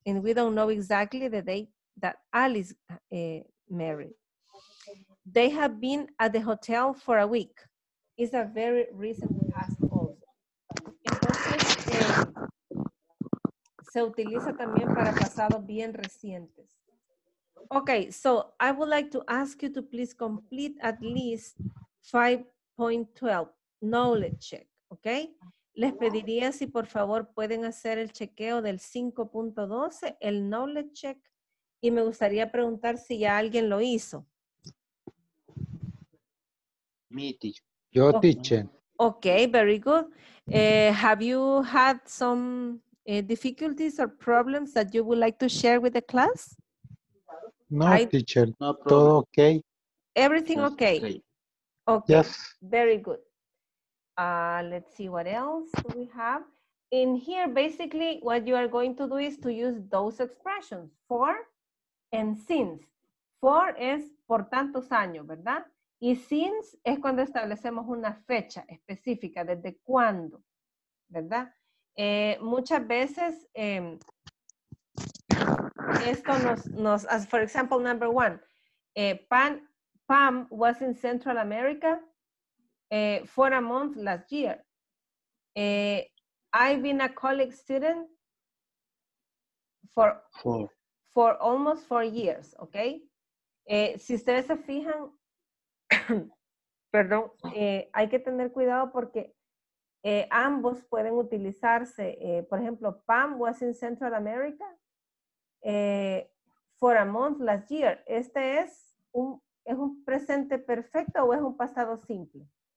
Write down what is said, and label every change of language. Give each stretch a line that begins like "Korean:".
English: And we don't know exactly the date that Alice married. They have been at the hotel for a week. It's a very recent past also.
Spanish: Entonces, se utiliza también para pasados bien recientes.
English: Okay, so I would like to ask you to please complete at least 5.12, knowledge check, okay?
Spanish: Les pediría si por favor pueden hacer el chequeo del 5.12, el knowledge check, y me gustaría preguntar si ya alguien lo hizo.
English: Me, teacher.
Spanish: Yo, teacher.
English: Okay, very good. Have you had some difficulties or problems that you would like to share with the class? No, teacher. No problem.
Spanish: Todo okay.
English: Everything okay. Okay. Yes. Very good. Let's see what else do we have. In here, basically, what you are going to do is to use those expressions, for and since.
Spanish: For es por tantos años, ¿verdad? Y since es cuando establecemos una fecha específica, desde cuándo, ¿verdad? Muchas veces, esto nos
English: as for example, number one, Pam was in Central America for a month last year. I've been a college student for almost 4 years, okay?
Spanish: Si ustedes se fijan, perdón, hay que tener cuidado porque ambos pueden utilizarse. Por ejemplo, Pam was in Central America for a month last year. ¿Este es un presente perfecto o es un pasado simple?